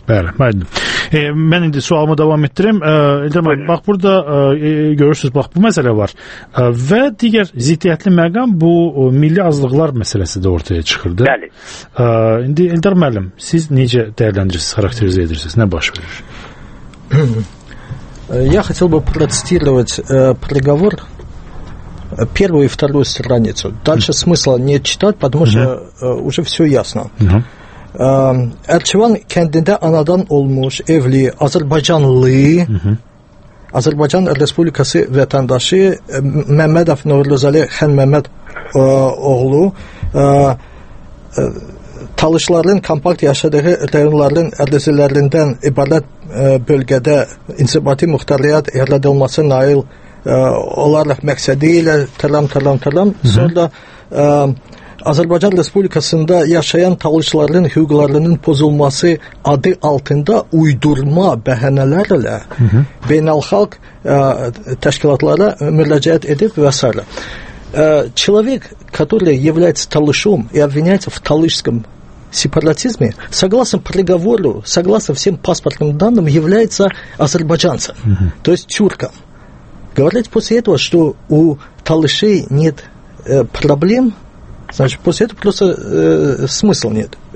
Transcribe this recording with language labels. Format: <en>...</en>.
<az>Bəli, bəli. Mən indi sualımı davam etdirim. Bax, burada görürsünüz, bax, bu məsələ var. Və digər ziddiyyətli məqam bu milli azlıqlar məsələsi də ortaya çıxırdı. Bəli. İndi İldar müəllim, siz necə dəyərləndirirsiniz, xarakterizə edirsiniz, nə baş verir?</az> <ru>Я хотел бы процитировать приговор. Первую и вторую страницу. Дальше смысла не читать, потому что уже все ясно.</ru> <az>Erçivan kəndində anadan olmuş, evli, azərbaycanlı, Azərbaycan Respublikası vətəndaşı Məmmədov Nurluzəli Xan Məmməd oğlu Talışların kompakt yaşadığı rayonların ərazilərindən ibarət bölgədə inzibati müxtəliyyət yaradılması nail olaraq məqsədi ilə tələm. Sonra Azərbaycan Respublikasında yaşayan talışların hüquqlarının pozulması adı altında uydurma bəhənələrlə beynəlxalq təşkilatlara müraciət edib və s.</az> <ru>Человек, который является талышом и обвиняется в талышском сепаратизме, согласно приговору, согласно всем паспортным данным, является азербайджанцем, то есть тюрком. Говорить после этого, что у талышей нет проблем, значит, после этого просто смысла нет.</ru>